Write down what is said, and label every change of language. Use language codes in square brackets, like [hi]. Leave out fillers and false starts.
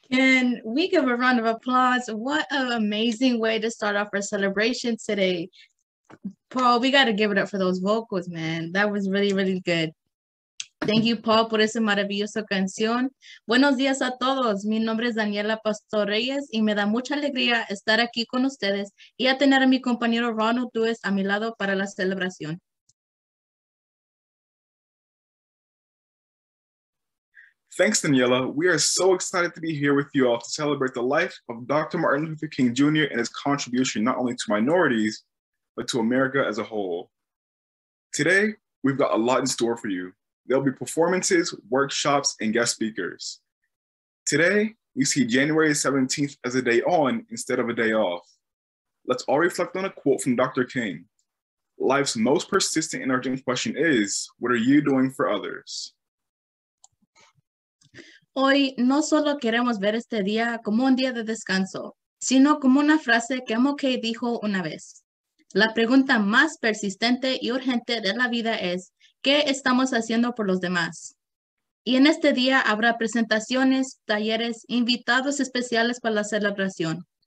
[en] What an amazing way to start off our celebration today. Paul, we got to give it up for those vocals, man. That was really, really good. Thank you, [es] Paul, por esa maravillosa canción. Buenos días a todos. Mi nombre es Daniela Pastor Reyes y me da mucha alegría estar aquí con ustedes y a tener a mi compañero Ronald Duez a mi lado para la celebración. [en] Thanks, Daniela. We are so excited to be here with you all to celebrate the life of Dr. Martin Luther King Jr. and his contribution not only to minorities, but to America as a whole. Today, we've got a lot in store for you. There'll be performances, workshops, and guest speakers. Today, we see January 17th as a day on instead of a day off. Let's all reflect on a quote from Dr. King. Life's most persistent and urgent question is, what are you doing for others? [es] Hoy no solo queremos ver este día como un día de descanso, sino como una frase que MLK dijo una vez. La pregunta más persistente y urgente de la vida es, ¿qué estamos haciendo por los demás? Y en este día habrá presentaciones, talleres, invitados especiales para la celebración.